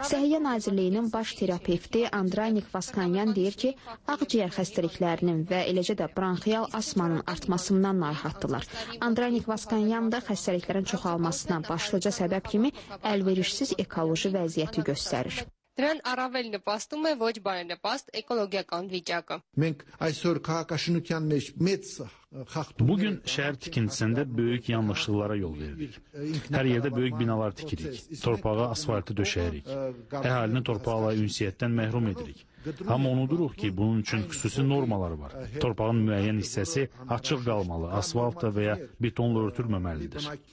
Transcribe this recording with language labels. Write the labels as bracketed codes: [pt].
[az] Səhiyyə Nazirliyinin baş terapevti Andranik Vaskanyan deyir ki, ağciyər xəstəliklərinin və eləcə də bronxial asmanın artmasından narahatdırlar. Andranik Vaskanyan da xəstəliklərin çoxalmasına başlıca səbəb kimi əlverişsiz ekoloji vəziyyəti göstərir. [hy] Դրան առավել նպաստում է ոչ բարենպաստ էկոլոգիական վիճակը։ Մենք այսօր քաղաքաշինության մեջ մեծ [az] Bugün şəhər tikintisində böyük yanlışlıqlara yol veririk. Hər yerdə böyük binalar tikirik, torpağa asfaltı döşəyirik, əhalini torpağa ünsiyyətdən məhrum edirik. Amma unuduruq ki, bunun üçün xüsusi normalar var. Torpağın müəyyən hissəsi açıq qalmalı, asfaltla və ya betonla örtülməməlidir.